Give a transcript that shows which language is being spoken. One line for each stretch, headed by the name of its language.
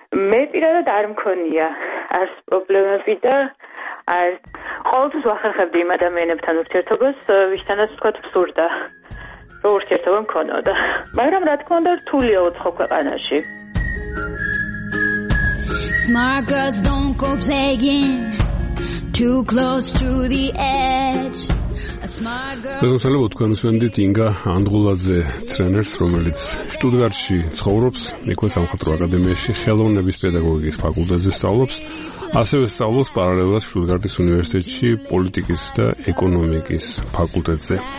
Georgian: მე პირადად არ მქონია არც პრობლემები და არც ყოველთვის ვახერხებდი იმ ადამიანებთან ურთიერთობას, ვისთანაც ვთქვათ, ვსურდა რომ ურთიერთობა მქონოდა, მაგრამ რა თქმა უნდა, რთულია უცხო ქვეყანაში.
English: Smart girls don't go playing too close to the edge.
Georgian: მოგესალმებით, თქვენ უსმენთ ინგა ანდღულაძე ტრენერს, რომელიც შტუტგარტში ცხოვრობს, იქვე სამხატვრო აკადემიაში ხელოვნების პედაგოგიკის ფაკულტეტზე სწავლობს, ასევე სწავლობს პარალელურად შტუტგარტის უნივერსიტეტში პოლიტიკის და ეკონომიკის ფაკულტეტზე.